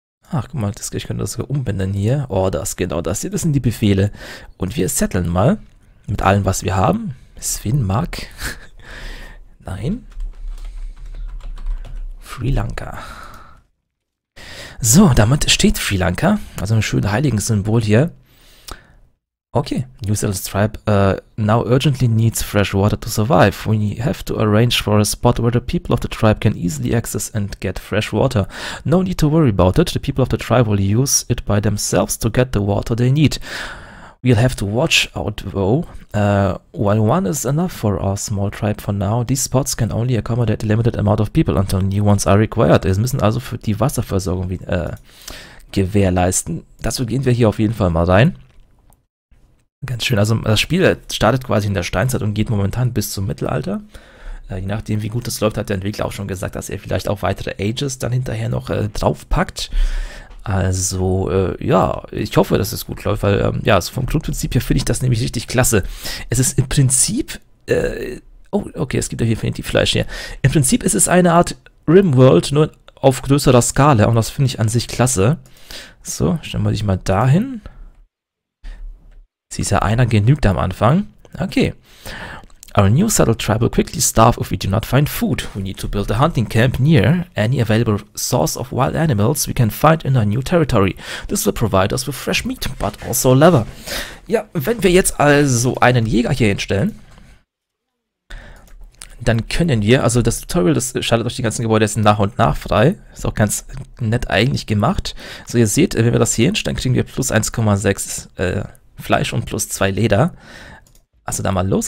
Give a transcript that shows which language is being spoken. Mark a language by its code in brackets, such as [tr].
[de] Ach, guck mal, ich könnte das sogar umbenennen hier. Oh, das, genau das hier. Das sind die Befehle. Und wir settlen mal. Mit allem, was wir haben. Sven Mark? Nein. Sri Lanka. So, damit steht Sri Lanka. Also ein schönes Heiligensymbol hier. [en] Okay, New Zealand's tribe now urgently needs fresh water to survive. We have to arrange for a spot where the people of the tribe can easily access and get fresh water. No need to worry about it. The people of the tribe will use it by themselves to get the water they need. We'll have to watch out though. While one is enough for our small tribe for now, these spots can only accommodate a limited amount of people until new ones are required. [de] Es müssen also für die Wasserversorgung gewährleisten. Dazu gehen wir hier auf jeden Fall mal rein. Ganz schön. Also das Spiel startet quasi in der Steinzeit und geht momentan bis zum Mittelalter. Je nachdem, wie gut das läuft, hat der Entwickler auch schon gesagt, dass er vielleicht auch weitere Ages dann hinterher noch draufpackt. Also, ja, ich hoffe, dass es gut läuft, weil, ja, so vom Grundprinzip her finde ich das nämlich richtig klasse. Es ist im Prinzip, es gibt ja hier definitiv Fleisch hier. Im Prinzip ist es eine Art Rimworld, nur auf größerer Skala, und das finde ich an sich klasse. So, stellen wir dich mal dahin. Sie ist ja einer genügt am Anfang. Okay. [en] Our new settled tribe will quickly starve if we do not find food. We need to build a hunting camp near any available source of wild animals we can find in our new territory. This will provide us with fresh meat, but also leather. [de] Ja, wenn wir jetzt also einen Jäger hier hinstellen, dann können wir, also das Tutorial, das schaltet euch die ganzen Gebäude jetzt nach und nach frei. Ist auch ganz nett eigentlich gemacht. So, ihr seht, wenn wir das hier hinstellen, kriegen wir plus 1,6 Fleisch und plus 2 Leder. Also da mal los.